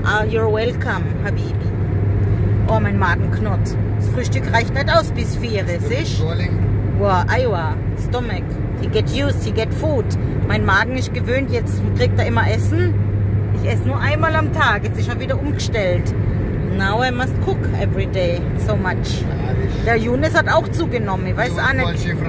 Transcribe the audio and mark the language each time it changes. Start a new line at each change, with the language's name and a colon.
English: You're welcome,
German: Habibi. Oh, mein Magen knurrt. Das Frühstück reicht nicht aus bis 4, siehst du? Wow, aiwa, Stomach.
English: He get used, he get food.
German: Mein Magen ist gewöhnt, jetzt kriegt er immer Essen. Ich esse nur einmal am Tag, jetzt ist er wieder umgestellt.
English: Now I must cook every day, so much.
German: Der Younes hat auch zugenommen, ich weiß auch nicht.